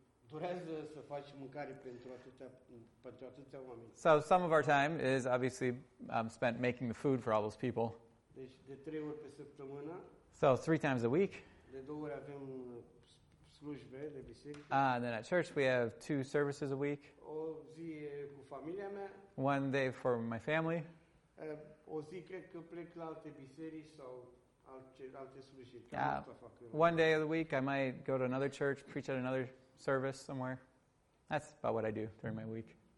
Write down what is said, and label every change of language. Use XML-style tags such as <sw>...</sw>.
<ro>Durează să faci mâncare pentru atâția oameni.</ro> <en>So some of our time is obviously spent making the food for all those people.</en> <ro>Deci de 3 ori pe săptămână.</ro> <en>So 3 times a week.</en> <ro>De 2 ori avem slujbe de biserică.</ro> <en>And then at church we have 2 services a week.</en> <ro>O zi cu familia mea.</ro> <en>One day for my family.</en> <ro>O zi cred că plec la alte biserici sau alte slujiri.</ro> <en>Yeah. One day of the week I might go to another church, preach at another service somewhere. That's about what I do during my week.</en>